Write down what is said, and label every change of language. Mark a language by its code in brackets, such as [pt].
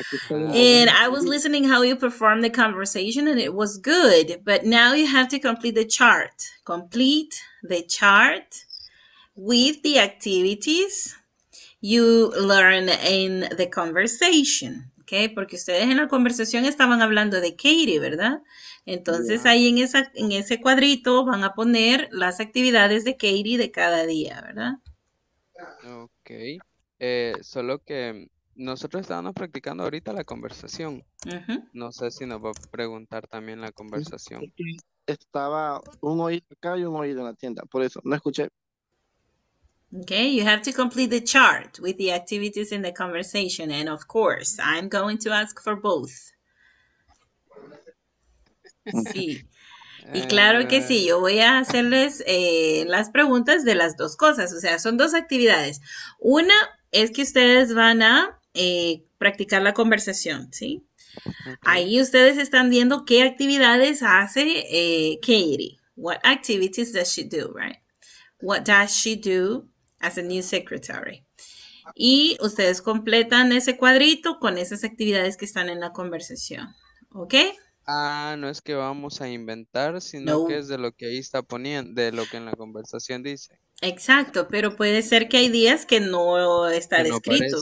[en] And I was listening how you performed the conversation, and it was good. But now you have to complete the chart. Complete the chart with the activities you learn in the conversation, okay? [es] Porque ustedes en la conversación estaban hablando de Katie, ¿verdad? Entonces, yeah. Ahí en esa, en ese cuadrito van a poner las actividades de Katie de cada día, ¿verdad? Ok, solo que nosotros estábamos practicando ahorita la conversación. No sé si nos va a preguntar también la conversación. Estaba un oído acá y un oído en la tienda, por eso no escuché. [en] Ok, you have to complete the chart with the activities in the conversation. And of course, I'm going to ask for both. [es] Sí. Y claro que sí, yo voy a hacerles las preguntas de las dos cosas. O sea, son dos actividades. Una es que ustedes van a practicar la conversación, ¿sí? Okay. Ahí ustedes están viendo qué actividades hace Katie. [en] What activities does she do, right? What does she do as a new secretary? [es] Y ustedes completan ese cuadrito con esas actividades que están en la conversación, ¿ok? Ah, no es que vamos a inventar, sino no. Que es de lo que ahí está poniendo, de lo que en la conversación dice. Exacto, pero puede ser que hay días que no está descrito.